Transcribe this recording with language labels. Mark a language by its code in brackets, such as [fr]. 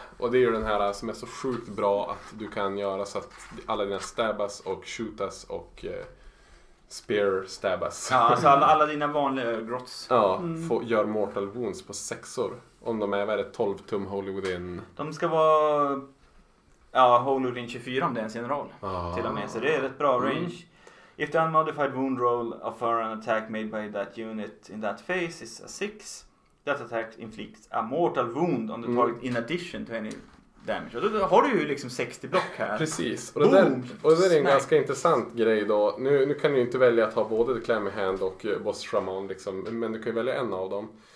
[sv] Och det är ju den här som är så sjukt bra att du kan göra så att alla dina stabbas och shootas och spear stabbas. Ja, alltså alla dina vanliga grots. Ja, gör mortal wounds på sexor. Om de är värre 12 tum holy within. De ska vara holy within 24 om det är en general. Ah. Till och med, så det är rätt bra range. [en] If the unmodified wound roll of an attack made by that unit in that phase is a 6, that attack inflicts a mortal wound on the target in addition to any damage. [sv] Och då har du ju liksom 60 block här. Precis. Och det, boom, där, och det är en ganska intressant grej då. Nu kan du ju inte välja att ha både The Clammy Hand och Boss Shaman liksom, men du kan ju välja en av dem.